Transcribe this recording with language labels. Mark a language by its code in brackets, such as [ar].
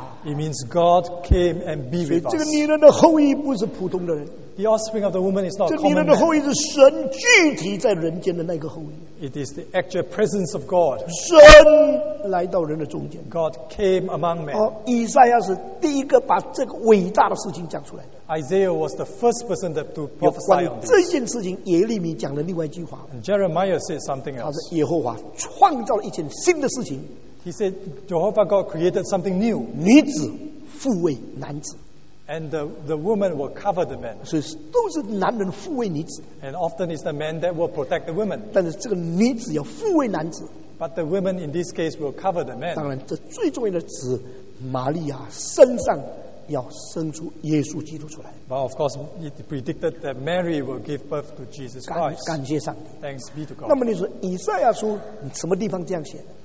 [en] It means God came and be with us. [zh] 所以这个女人的后裔不是普通的人。 [en] The offspring of the woman is not common. [zh] 这女人的后裔是神具体在人间的那个后裔。 [en] It is the actual presence of God. [zh] 神来到人的中间。 [en] God came among men. [zh] 以赛亚是第一个把这个伟大的事情讲出来的。 [en] Isaiah was the first person that to prophesy on this. [zh] 耶利米讲的另外一句话, [en] and Jeremiah said something else. [zh] 他说耶和华创造了一件新的事情, [en] he said, Jehovah God created something new. [zh] 女子复为男子, [en] and the woman will cover the man. [zh] 所以都是男人复为女子, [en] and often it's the man that will protect the woman. [zh] 但是这个女子要复为男子, [en] but the woman in this case will cover the man. [zh] 当然这最重要的词, 玛利亚身上, [en] but of course, it predicted that Mary will give birth to Jesus Christ. [zh] 感谢上帝. [en] Thanks be to God. [zh] 那么你说, 以赛亚书, 什么地方这样写的?